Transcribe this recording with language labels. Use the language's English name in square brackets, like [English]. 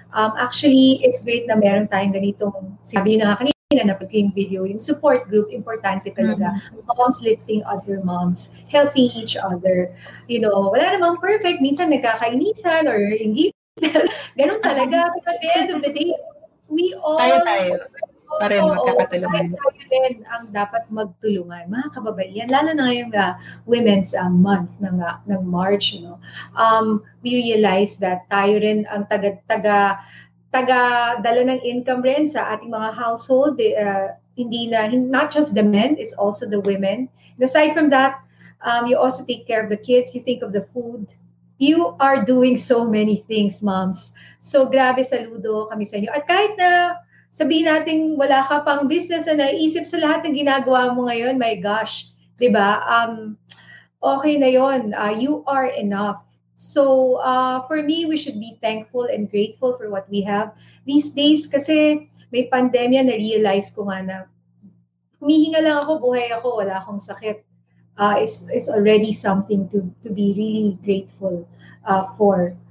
[Filipino] Actually, [English] it's great [Filipino] na meron tayong ganitong, sabi yun nga kanina, na pagiging video, yung support group, importante talaga. Mm-hmm. [English] Moms lifting other moms, helping each other. [Filipino] You know, wala namang perfect. Minsan nagkakainisan or hindi. Ganun talaga. [English] But at the end of the day, we all... [Filipino] Tayo. Parin makakatulungan. Rin ang dapat magtulungan, mga kababaihan, lalo na ngayong Women's Month ng March, no? [English] We realize that [Filipino] tayo rin ang taga-dala ng income rin sa ating mga [English] household, not just the men, it's also the women. And aside from that, you also take care of the kids, you think of the food. You are doing so many things, moms. So, [Filipino] grabe saludo kami sa inyo. At kahit na sabihin natin, wala ka pang business na naisip sa lahat ng ginagawa mo ngayon, my gosh, di ba? Okay na yun. [English] You are enough. So, for me, we should be thankful and grateful for what we have. [Filipino] These days, kasi may pandemya, na-realize ko nga na humihinga lang ako, buhay ako, wala akong sakit. [English] It's already something to be really grateful for.